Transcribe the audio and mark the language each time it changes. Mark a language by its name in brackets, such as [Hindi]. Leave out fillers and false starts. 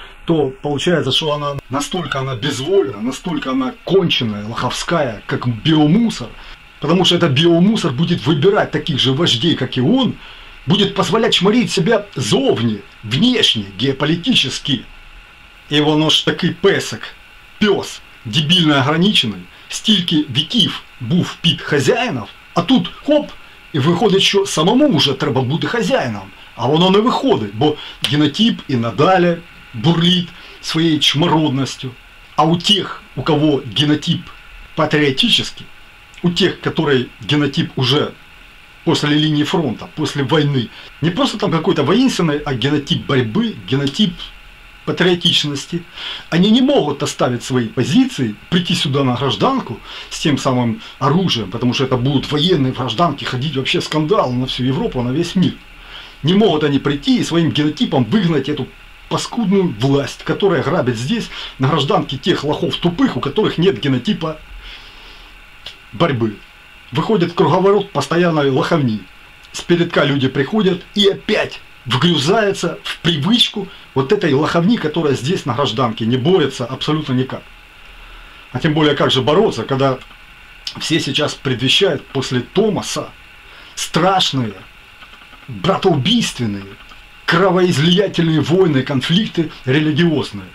[Russian] то получается, что она настолько она безвольна, настолько она конченная, лоховская, как биомусор. Потому что этот биомусор будет выбирать таких же вождей, как и он, будет позволять чморить себя зовне, внешне, геополитически. И он уж таки песок, пес, дебильно ограниченный, [Ukrainian] стільки віків був під хазяїнов, а тут хоп, і виходить, що самому вже треба бути хазяїном. А воно не виходить, бо генотип і надалі бурлить своєю чмородністю. А у тих, у кого генотип патріотичний, у тих, який генотип уже після лінії фронту, після війни, не просто там якийсь воїнственний, а генотип боротьби, генотип патріотичності. Вони не можуть оставити свої позиції, прийти сюди на гражданку з тим самим оружием, тому що це будуть воєнні гражданки, ходити взагалі скандал на всю Європу, на весь світ. Не можуть вони прийти і своїм генотипом вигнати цю паскудну власть, яка грабить здесь на гражданки тих лохов тупих, у яких нет генотипа боротьби. Виходить круговорот постоянної лоховні. Спередка люди приходять і [Russian] опять вгрюзается в привычку вот этой лоховни, которая здесь на гражданке не борется абсолютно никак. А тем более, как же бороться, когда все сейчас предвещают после Томаса страшные, братоубийственные, кровоизлиятельные войны, конфликты религиозные.